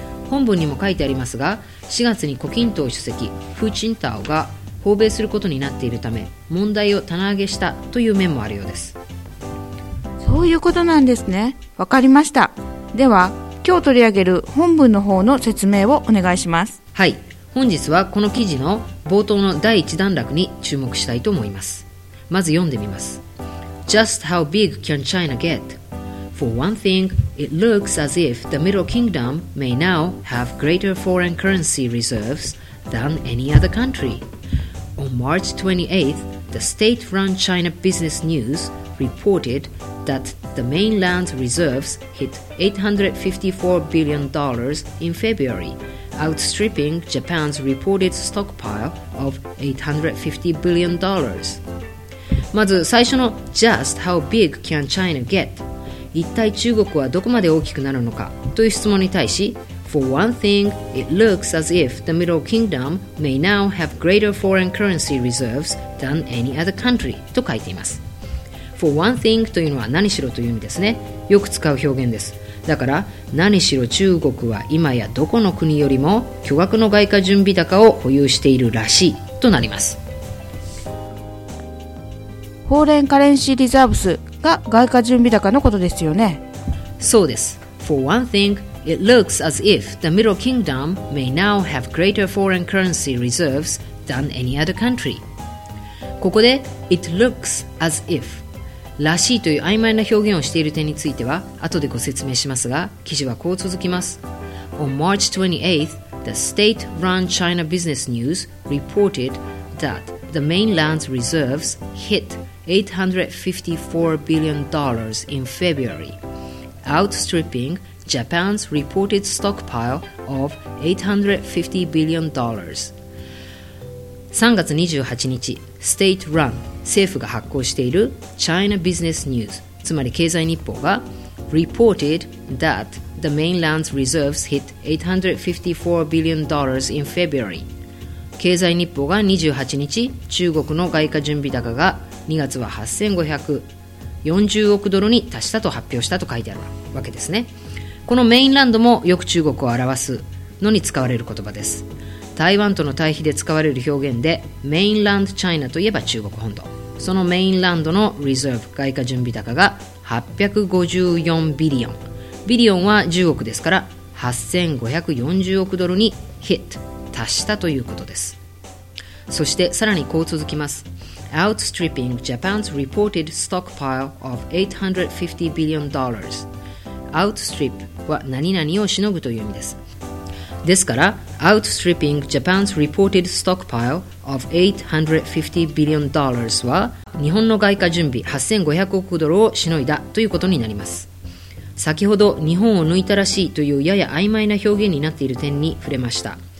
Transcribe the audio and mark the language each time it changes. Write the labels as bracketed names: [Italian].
[Japanese] 本文にも書いてありますが、4月に胡錦涛主席、フー・チンタオが訪米することになっているため問題を棚上げしたという面もあるようです。そういうことなんですね。わかりました。では今日取り上げる本文の方の説明をお願いします。はい、本日はこの記事の冒頭の第一段落に注目したいと思います。まず読んでみます。 [English] Just how big can China get? For one thing, it looks as if the Middle Kingdom may now have greater foreign currency reserves than any other country. On March 28th, the state-run China Business News reported that the mainland's reserves hit $854 billion in February, outstripping Japan's reported stockpile of $850 billion. [Japanese] まず最初の [English] Just how big can China get? [Japanese] 一体中国はどこまで大きくなるのかという質問に対し、 [English] For one thing, it looks as if the Middle Kingdom may now have greater foreign currency reserves than any other country [Japanese] と書いています。 [English] For one thing [Japanese] というのは何しろという意味ですね。よく使う表現です。だから何しろ中国は今やどこの国よりも巨額の外貨準備高を保有しているらしいとなります。フォーレンカレンシーリザーブスが外貨準備高のことですよね。そうです。 [English] For one thing, it looks as if the Middle Kingdom may now have greater foreign currency reserves than any other country. [Japanese] ここで [English] it looks as if [Japanese] らしいという曖昧な表現をしている点については後でご説明しますが、記事はこう続きます。 [English] On March 28th, the state-run China Business News reported thatThe mainland's reserves hit $854 billion in February, outstripping Japan's reported stockpile of $850 billion. 3月28日、State Run [Japanese] 政府が発行している [English] China Business News、 [Japanese] つまり経済日報が [English] reported that the mainland's reserves hit $854 billion in February. [Japanese] 経済日報が28日、中国の外貨準備高が2月は8540億ドルに達したと発表したと書いてあるわけですね。このメインランドもよく中国を表すのに使われる言葉です。台湾との対比で使われる表現でメインランドチャイナといえば中国本土、そのメインランドのリザーブ外貨準備高が854ビリオン、ビリオンは中国ですから8540億ドルにヒット達したということです。そしてさらにこう続きます。 [English] Outstripping Japan's reported stockpile of $850 billion. Outstrip [Japanese] は何々をしのぐという意味です。ですから [English] Outstripping Japan's reported stockpile of $850 billion [Japanese] は日本の外貨準備8500億ドルをしのいだということになります。先ほど日本を抜いたらしいというやや曖昧な表現になっている点に触れました。